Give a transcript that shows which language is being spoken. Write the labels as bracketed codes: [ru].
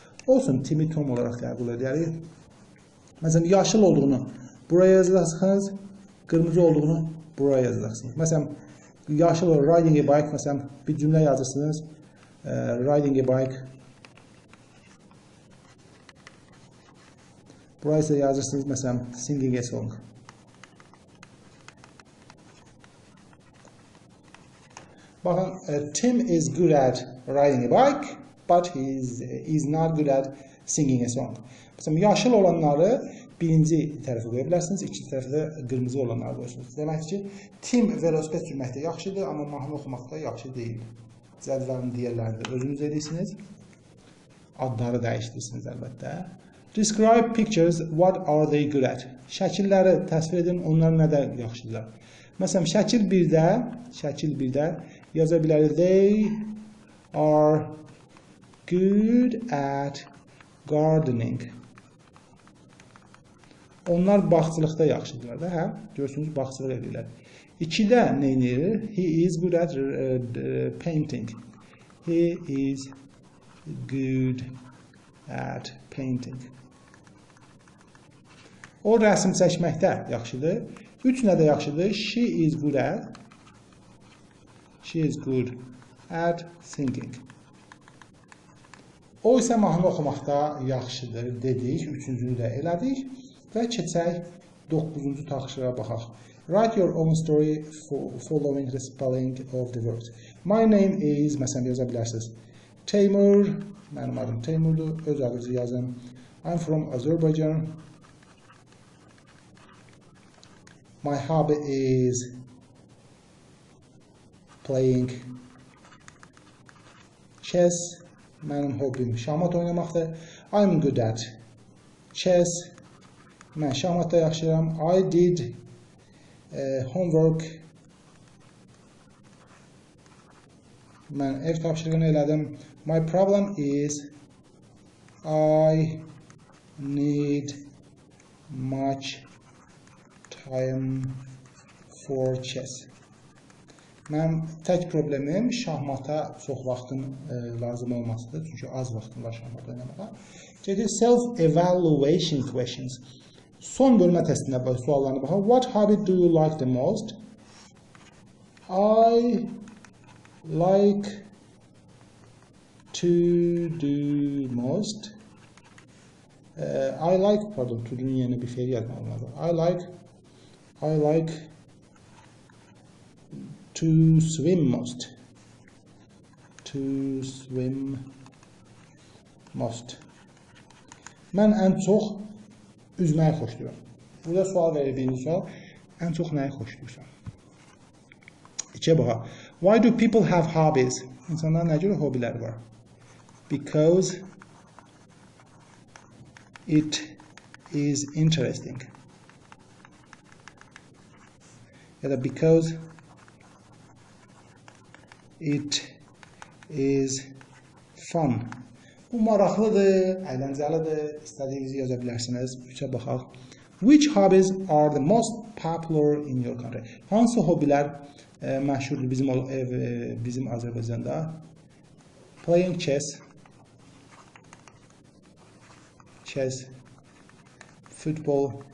[az] Olsun, Timi Tom olaraq qəbul edəyərik. Məsələn, yaşıl olduğunu buraya yazacaqsınız, qırmızı olduğunu buraya yazacaqsınız. Məsələn, yaşıl olur, [en] riding a bike, [az] məsələn, bir cümlə yazırsınız. [en] Riding a bike. [az] Buraya isə yazırsınız, məsələn, [en] singing a song. [az] Baxın, [en] Tim is good at riding a bike, but he is not good at singing a song. [az] Məsələn, yaşıl olanları birinci tərəfə qoya bilərsiniz, ikinci tərəfə də qırmızı olanları qoyursunuz. Demək ki, Tim velosiped sürməkdə yaxşıdır, amma mahnı oxumaqda yaxşı deyil. Cədvəlin digərlərini özünüz edirsiniz, adları dəyişdirsiniz əlbəttə. [en] Describe pictures, what are they good at? [az] Şəkilləri təsvir edin, onlar nədə yaxşıdırlar? Məsələn, şəkil 1-də yaza bilərik, [en] they are good at gardening. [az] Onlar bağçılıqda yaxşıdırlar da, hə? Görürsünüz, bağçılıq edirlər. 2-də nə edir? [en] He is good at painting. He is good at painting. [az] O, rəsm çəkməkdə yaxşıdır. 3 nədə yaxşıdır? [en] She is good at singing. [az] O isə mahnı oxumaqda yaxşıdır dedik, 3-cünü də elədik və keçək 9-cu taxışlara baxaq. [en] Write your own story following the spelling of the words. My name is, [az] məsələn, yaza bilərsiniz, Teymur, mənim adım Teymurdur, öz adınızı yazın. [en] I'm from Azerbaijan. My hobby is playing chess. [az] Mənim hobbim şahmat oynamaqdır. [en] I'm good at chess. [az] Mən şahmatda yaxşıyam. [en] I did homework. [az] Mən ev tapşırığını elədim. [en] My problem is I need much time for chess. [az] Mənim tək problemim şahmata çox vaxtın lazım olmasıdır. Çünki az vaxtım var şahmata oynamağa. Gedir [en] self-evaluation questions. [az] Son bölmə testində suallarına baxaq. [en] What hobby do you like the most? I like to do most. I like, [az] pardon, to do-nun yerinə bir fəil yazmaq lazım. [en] I like to swim most. To swim most. [az] Mən ən çox üzməyi xoşlayıram. Burada sual verir birinci sual. Ən çox nəyi xoşlayırsan? İkiyə baxaq. [en] Why do people have hobbies? [az] İnsanların nə cür hobiləri var? [en] Because it is interesting. [az] Ya da [en] because it is fun. [az] Bu maraqlıdır, əyləncəlidir. İstədiyinizi yaza bilərsiniz. Üçə baxaq. [en] Which hobbies are the most popular in your country? [az] Hansı hobbylər məşhurdur bizim Azərbaycanda? [en] Playing chess. Chess. Football.